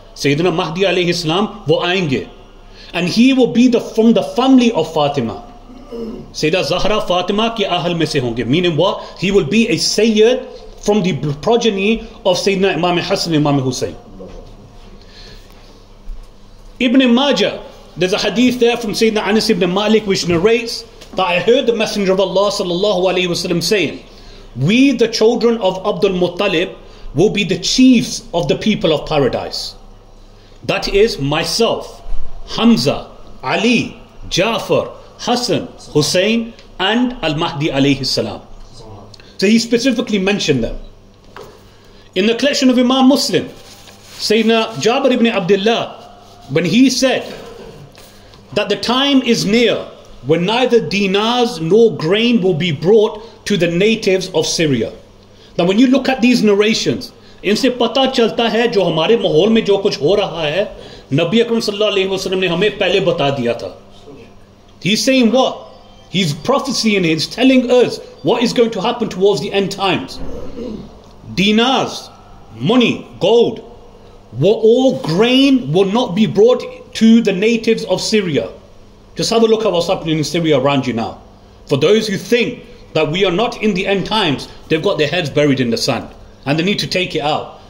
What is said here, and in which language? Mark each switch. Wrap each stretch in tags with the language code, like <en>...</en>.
<en>Sayyidina Mahdi alayhi salam</en> <ur>wo aayenge.</ur> <en>And he will be from the family of Fatima.</en> <ur>سیدہ زہرا فاطمہ کے اہل میں سے ہوں گے۔</ur> <en>Meaning what? He will be a Sayyid from the progeny of Sayyidina Imam Hassan, Imam Hussein. Ibn Majah, there's a hadith there from Sayyidina Anas ibn Malik which narrates that I heard the Messenger of Allah sallallahu alayhi wa sallam saying, we the children of Abdul Muttalib will be the chiefs of the people of paradise. That is myself, Hamza, Ali, Jafar, Hassan, Hussein, and Al-Mahdi alayhi salam. So he specifically mentioned them. In the collection of Imam Muslim, Sayyidina Jabir ibn Abdullah, when he said that the time is near when neither dinars nor grain will be brought to the natives of Syria. Now when you look at these narrations،</en> <ur>ان سے پتا چلتا ہے جو ہمارے ماحول میں جو کچھ ہو رہا ہے، نبی اکرم صلی اللہ علیہ وسلم نے ہمیں پہلے بتا دیا تھا۔</ur> <en>He's saying what? He's prophesying, he's telling us what is going to happen towards the end times. Dinars, money, gold, all grain will not be brought to the natives of Syria. Just have a look at what's happening in Syria around you now. For those who think that we are not in the end times, they've got their heads buried in the sand and they need to take it out.</en>